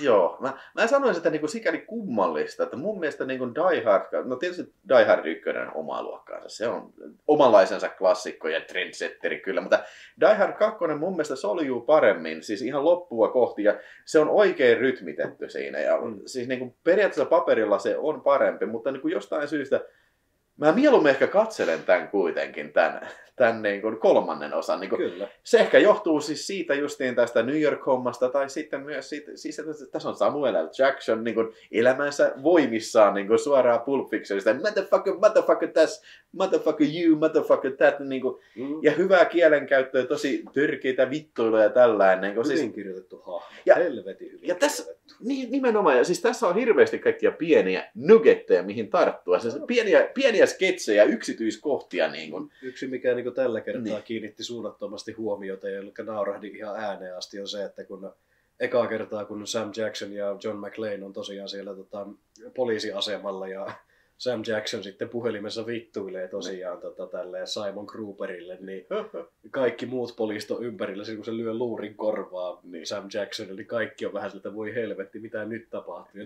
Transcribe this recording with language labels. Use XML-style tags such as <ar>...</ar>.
<fi>Joo, mä sanoisin, että niin kuin sikäli kummallista, että mun mielestä niin kuin Die Hard, no tietysti Die Hard 1 on omaa luokkaansa, se on omanlaisensa klassikko ja trendsetteri kyllä, mutta Die Hard 2 mun mielestä soljuu paremmin, siis ihan loppua kohti, ja se on oikein rytmitetty siinä, ja siis niin kuin periaatteessa paperilla se on parempi, mutta niin kuin jostain syystä mä mieluummin ehkä katselen tämän kuitenkin, tämän niin kuin kolmannen osan. Niin kuin, kyllä. Se ehkä johtuu siis siitä justiin tästä New York-hommasta, tai sitten myös siitä, siis että tässä on Samuel L. Jackson niin kuin elämänsä voimissaan niin kuin suoraan Pulp Fictionista.</fi> <en>Motherfucker that's, motherfucker you, motherfucker that.</en> <fi>Niin kuin, ja hyvää kielenkäyttöä, tosi törkeitä vittuiluja tällään. Niin kuin, hyvin siis kirjoitettu hahmo, helvetin hyvin. Ja tässä niin, nimenomaan, ja siis tässä on hirveästi kaikkia pieniä nuggetteja, mihin tarttua. Siis pieniä sketsejä, yksityiskohtia. Niin kuin. Yksi, mikä niin kuin tällä kertaa kiinnitti suunnattomasti huomiota, jolloin naurahdin ihan ääneen asti, on se, että kun ekaa kertaa, kun Sam Jackson ja John McClane on tosiaan siellä poliisiasemalla, ja Sam Jackson sitten puhelimessa vittuilee tosiaan tälleen Simon Gruberille, niin kaikki muut poliisit on ympärillä, kun se lyö luurin korvaa niin Sam Jackson, niin kaikki on vähän siltä, voi helvetti, mitä nyt tapahtuu.</fi>